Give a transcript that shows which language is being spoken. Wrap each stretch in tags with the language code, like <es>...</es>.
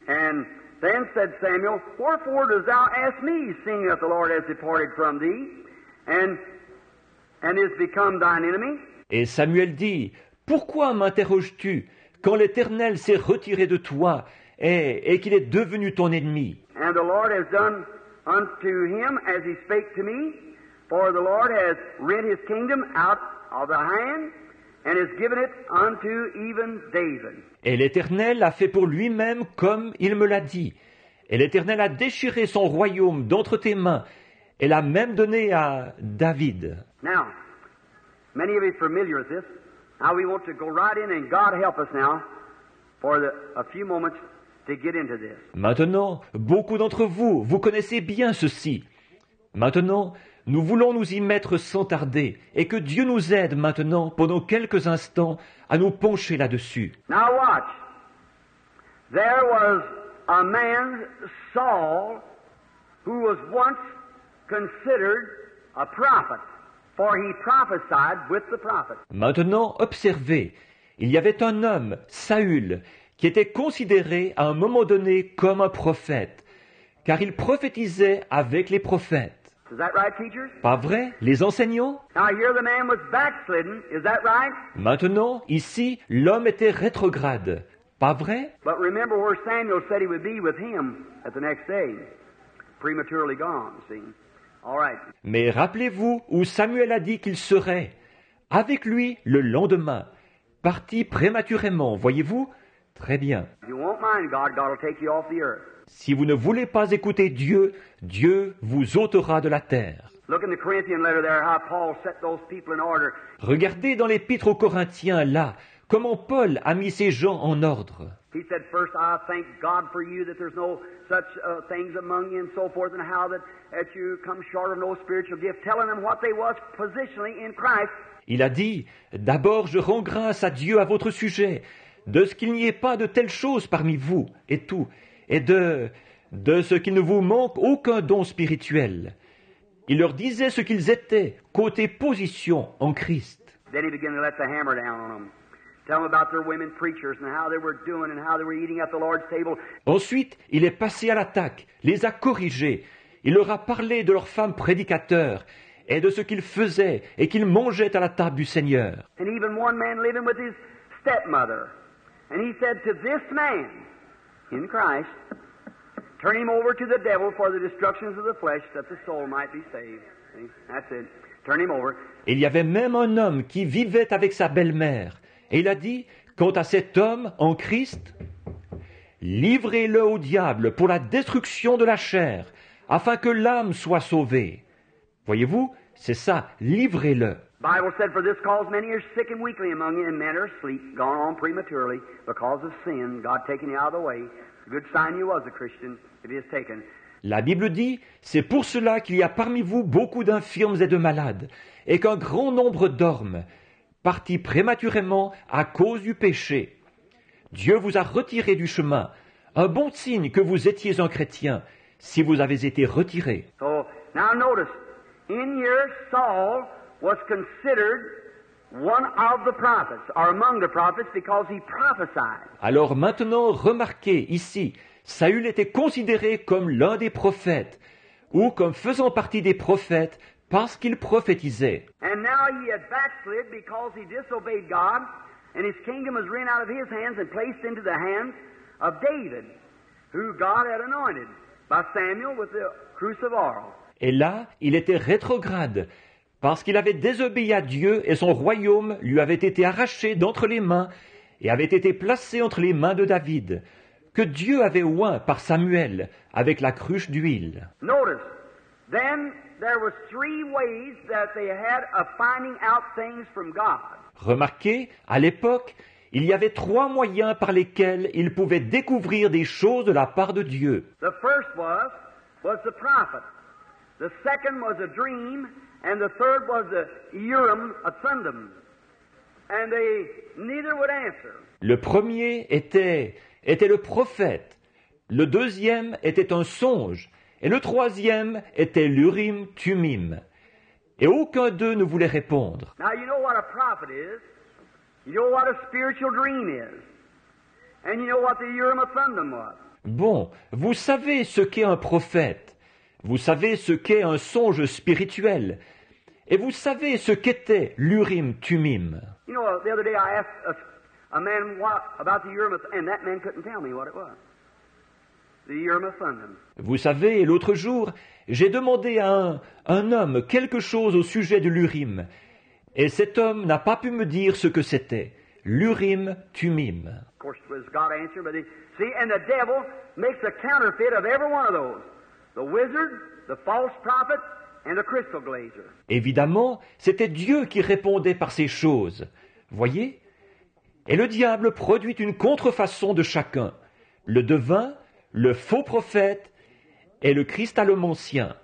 <en>And then said Samuel, « Wherefore dost thou ask me, seeing that the Lord has departed from thee? » And is become thine enemy?</en> <fr>Et Samuel dit, Pourquoi m'interroges-tu quand l'Éternel s'est retiré de toi et qu'il est devenu ton ennemi?</fr> <en>And the Lord has done unto him as he spake to me, for the Lord has rent his kingdom out of the hand and has given it unto even David.</en> <fr>Et l'Éternel a fait pour lui-même comme il me l'a dit. Et l'Éternel a déchiré son royaume d'entre tes mains et l'a même donné à David.</fr> <en>Now, many of you are familiar with this. Now we want to go right in and God help us now for a few moments to get into this.</en> <fr>Maintenant, beaucoup d'entre vous, vous connaissez bien ceci. Maintenant, nous voulons nous y mettre sans tarder et que Dieu nous aide maintenant pendant quelques instants à nous pencher là-dessus.</fr> <en>Now watch. There was a man, Saul, who was once considered a prophet. For he prophesied with the prophet.</en> <fr>Maintenant, observez, il y avait un homme, Saül, qui était considéré à un moment donné comme un prophète, car il prophétisait avec les prophètes.</fr> <en>Is that right, teachers?</en> <fr>Pas vrai, les enseignants?</fr> <en>Now here the man was backslidden. Is that right?</en> <fr>Maintenant, ici, l'homme était rétrograde. Pas vrai?</fr> <en>But remember where Samuel said he would be with him at the next day, prematurely gone, see? All right.</en> <fr>Mais rappelez-vous où Samuel a dit qu'il serait avec lui le lendemain, parti prématurément, voyez-vous? Très bien.</fr> <en>You won't mind God, God will take you off the earth.</en> <fr>Si vous ne voulez pas écouter Dieu, Dieu vous ôtera de la terre.</fr> <en>Look in the Corinthian letter there, how Paul set those people in order.</en> <fr>Regardez dans l'épître aux Corinthiens là, comment Paul a mis ces gens en ordre.</fr> <en>He said, first I thank God for you that there's no such things among you and so forth and how that you come short of no spiritual gift, telling them what they was positionally in Christ.</en> <fr>Il a dit, d'abord je rends grâce à Dieu à votre sujet, de ce qu'il n'y ait pas de telles choses parmi vous et tout, et de ce qu'il ne vous manque aucun don spirituel. Il leur disait ce qu'ils étaient, côté position en Christ.</fr> <en>Then he began to let the hammer down on them. Tell them about their women preachers and how they were doing and how they were eating at the Lord's table.</en> <fr>Ensuite, il est passé à l'attaque, les a corrigés. Il leur a parlé de leurs femmes prédicateurs et de ce qu'ils faisaient et qu'ils mangeaient à la table du Seigneur.</fr> <en>And even one man living with his stepmother. And he said to this man in Christ, turn him over to the devil for the destructions of the flesh that the soul might be saved. That's it. Turn him over.</en> <fr>Il y avait même un homme qui vivait avec sa belle-mère. Et il a dit, quant à cet homme en Christ, livrez-le au diable pour la destruction de la chair, afin que l'âme soit sauvée. Voyez-vous, c'est ça, livrez-le.</fr> <en>The Bible said, for this cause many are sick and weakly among you, and men are asleep, gone on prematurely, because of sin, God taking you out of the way. It's a good sign you was a Christian, if he is taken.</en> <fr>La Bible dit, c'est pour cela qu'il y a parmi vous beaucoup d'infirmes et de malades, et qu'un grand nombre dorment, parti prématurément à cause du péché. Dieu vous a retiré du chemin, un bon signe que vous étiez un chrétien, si vous avez été retiré.</fr> <en>So, now notice, in here Saul was considered one of the prophets, or among the prophets, because he prophesied.</en> <fr>Alors maintenant, remarquez ici, Saül était considéré comme l'un des prophètes, ou comme faisant partie des prophètes parce qu'ils prophétisaient.</fr> <en>And now he had backslid because he disobeyed God, and his kingdom was ran out of his hands and placed into the hands of David, who God had anointed by Samuel with the cruse of oil.</en> <fr>Et là, il était rétrograde, parce qu'il avait désobéi à Dieu et son royaume lui avait été arraché d'entre les mains et avait été placé entre les mains de David, que Dieu avait oint par Samuel avec la cruche d'huile.</fr> <en>Notice, then there were three ways that they had of finding out things from God.</en> <fr>Remarquez, à l'époque, il y avait trois moyens par lesquels ils pouvaient découvrir des choses de la part de Dieu.</fr> <en>The first was the prophet. The second was a dream, and the third was the Urim and Thummim. And they neither would answer.</en> <fr>Le premier était le prophète. Le deuxième était un songe. Et le troisième était l'Urim Thummim. Et aucun d'eux ne voulait répondre.</fr> <en>Now you know what a prophet is. You know what a spiritual dream is. And you know what the Urim and Thummim was.</en> <fr>Bon, vous savez ce qu'est un prophète. Vous savez ce qu'est un songe spirituel. Et vous savez ce qu'était l'Urim Thummim.</fr> <en>You know, the other day I asked a man what, about the Urim and that man couldn't tell me what it was. The Urim and Thummim.</en> <fr>Vous savez, l'autre jour, j'ai demandé à un homme quelque chose au sujet de l'Urim. Et cet homme n'a pas pu me dire ce que c'était. L'Urim Thummim.</fr> <en>Of course, it was God's answer, but he, see, and the devil makes a counterfeit of every one of those. The wizard, the false prophet, and the crystal glazer.</en> <fr>Évidemment, c'était Dieu qui répondait par ces choses. Voyez? Et le diable produit une contrefaçon de chacun. Le devin, le faux prophète et le cristallomancien.</fr>